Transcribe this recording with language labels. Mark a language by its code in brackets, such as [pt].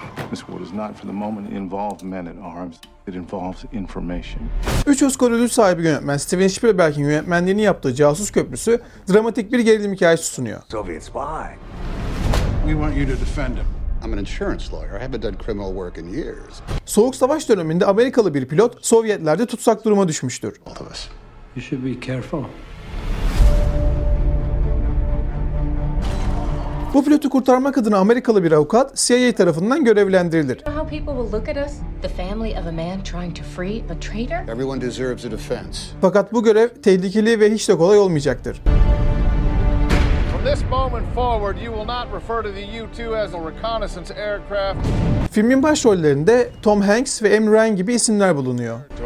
[en] This war is not for the moment involved men at arms. It involves information. [tr] 3 Oscar ödül sahibi yönetmen Steven Spielberg'in yönetmenliğini yaptığı Casus Köprüsü dramatik bir gerilim hikayesi sunuyor. [en] Soviet spy. We want you to defend him. I'm an insurance lawyer. I haven't done criminal work in years. [tr] Soğuk Savaş döneminde Amerikalı bir pilot Sovyetlerde tutsak duruma düşmüştür. [en] All of us. You should be careful. [tr] Bu pilotu kurtarmak adına Amerikalı bir avukat CIA tarafından görevlendirilir. [en] How people will look at us? The family of a man trying to free a traitor? Everyone deserves a defense. [tr] Fakat bu görev tehlikeli ve hiç de kolay olmayacaktır. [en] From this moment forward, you will not refer to the U-2 as a reconnaissance aircraft. [tr] Filmin başrollerinde Tom Hanks ve Emre Ryan gibi isimler bulunuyor.